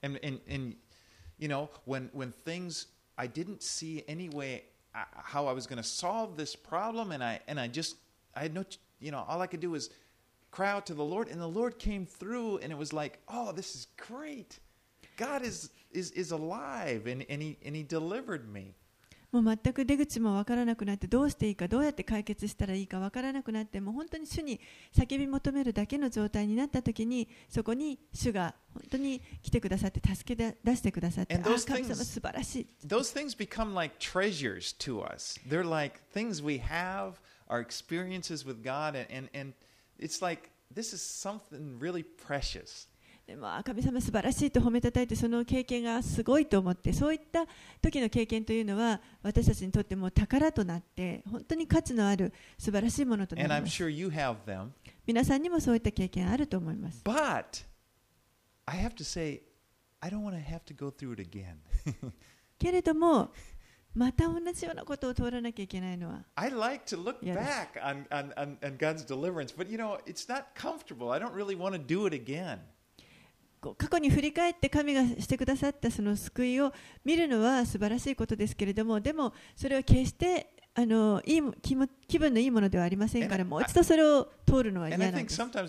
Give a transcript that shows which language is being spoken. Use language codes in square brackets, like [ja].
[en] And you know, when things I didn't see any way how I was going to solve this problem and I had no, you know, all I could do was cry out to the Lord and the Lord came through and it was like, oh, this is great. God is alive and he delivered me. [ja] もう全く出口も分からなくなってどうしていいかどうやって解決したらいいか分からなくなってもう本当に主に叫び求めるだけの状態になった時にそこに主が本当に来てくださって助け出してくださって神様素晴らしい。 [en] Those things become like treasures to us. They're like things we have, our experiences with God, and it's like this is something really precious. [ja] でも神様素晴らしいと褒めたたいてその経験がすごいと思ってそういった時の経験というのは私たちにとっても宝となって本当に価値のある素晴らしいものとなります。 [en] sure [ja] 皆さんにもそういった経験あると思います。 [en] But I have to say I don't want to have to go through it again. [ja] けれどもまた同じようなことを通らなきゃいけないのは [en] I like to look back on God's deliverance, but you know, it's not comfortable. I don't really want to do it again. [ja] 過去に振り返って神がしてくださったその救いを見るのは素晴らしいことですけれどもでもそれは決して気分のいいものではありませんからもう一度それを通るのは嫌なんです。